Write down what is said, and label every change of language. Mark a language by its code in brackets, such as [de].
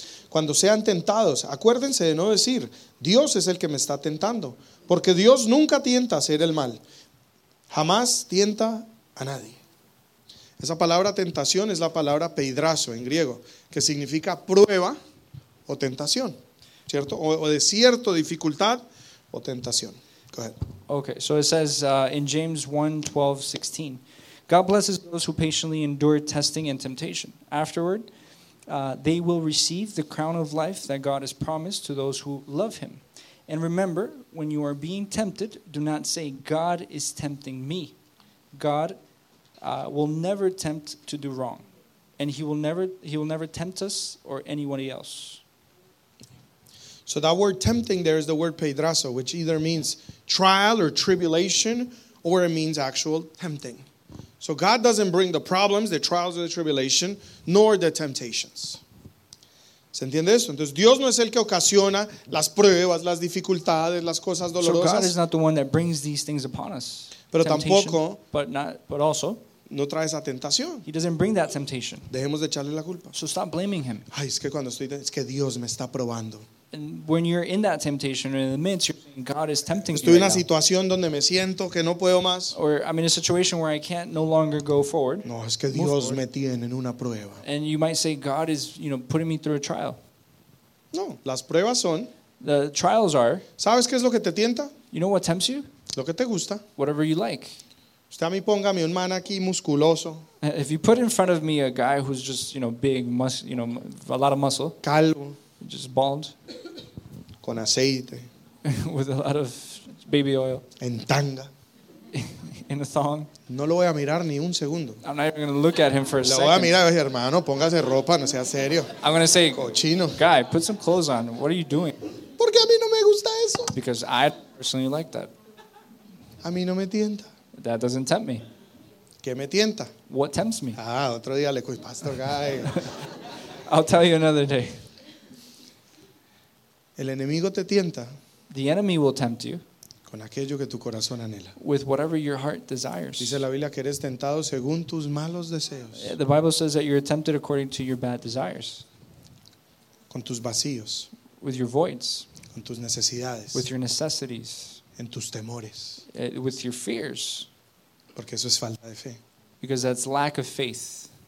[es] Cuando sean tentados, acuérdense de no decir, Dios es el que me está tentando, porque Dios nunca tienta a hacer el mal, jamás tienta a nadie. Esa palabra tentación es la palabra peidrazo en griego, que significa prueba o tentación, ¿cierto? O de cierto dificultad o tentación. [en] Go ahead. Okay, so it says in James 1, 12, 16, God blesses those who patiently endure testing and temptation. Afterward, they will receive the crown of life that God has promised to those who love him. And remember, when you are being tempted, do not say, God is tempting me. God will never tempt to do wrong. And he will never tempt us or anybody else. So that word tempting there is the word pedrazo, which either means trial or tribulation, or it means actual tempting. So God doesn't bring the problems, the trials or the tribulation, nor the temptations. [es] ¿Se entiende eso? Entonces Dios no es el que ocasiona las pruebas, las dificultades, las cosas dolorosas. [en] So God is not the one that brings these things upon us. [es] Pero tampoco, [en] but also, [es] no trae esa tentación. [en] He doesn't bring that temptation. [es] Dejemos de echarle la culpa. [en] So stop blaming him. [es] Ay, es que cuando estoy, es que Dios me está probando. [en] And when you're in that temptation or in the midst, you're saying God is tempting [es] estoy Estoy en una situación donde me siento que no puedo más. [en] Or I'm in a situation where I can't no longer go forward. [es] No, es que Dios me tiene en una prueba. [en] And you might say God is, you know, putting me through a trial. [es] No, las pruebas son. [en] The trials are. [es] ¿Sabes qué es lo que te tienta? [en] You know what tempts you? [es] Lo que te gusta. [en] Whatever you like. [es] Usted a mí póngame un man aquí musculoso. [en] If you put in front of me a guy who's just, you know, big, you know, a lot of muscle. [es] Calvo. [en] Just bald. [es] Con aceite. [en] With a lot of baby oil. [es] En tanga. [en] In a thong. [es] No lo voy a mirar ni un segundo. [en] I'm not even going to look at him for a [es] lo [en] second. [es] Lo voy a mirar, hermano, póngase ropa, no sea serio. [en] I'm going to say, [es] cochino. [en] Guy, put some clothes on. What are you doing? [es] Porque a mí no me gusta eso. [en] Because I personally like that. [es] A mí no me tienta. [en] That doesn't tempt me. [es] ¿Qué me tienta? [en] What tempts me? [es] Ah, otro día le cuido, Pastor Guy. [en] I'll tell you another day. [es] El enemigo te tienta. [en] The enemy will tempt you. [es] Con aquello que tu corazón anhela. [en] With whatever your heart desires. [es] Dice la Biblia que eres tentado según tus malos deseos. [en] The Bible says that you're tempted according to your bad desires. [es] Con tus vacíos. [en] With your voids. [es] Con tus necesidades. [en] With your necessities. [es] En tus temores. [en] With your fears. [es] Porque eso es falta de fe. [en] Because that's lack of faith.